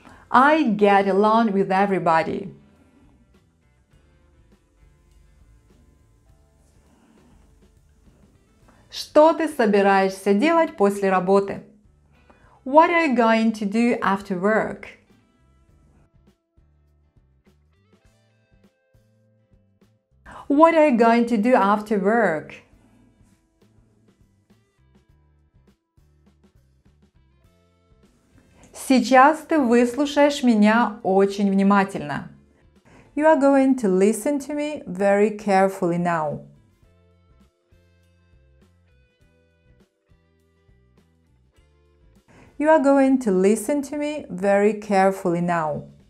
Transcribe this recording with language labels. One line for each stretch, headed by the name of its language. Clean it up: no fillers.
English: I get along with everybody.
Russian: Что ты собираешься делать после работы?
English: What are you going to do after work? What are you going to do after work?
Russian: Сейчас ты выслушаешь меня очень внимательно.
English: You are going to listen to me very carefully now. You are going to listen to me very carefully now.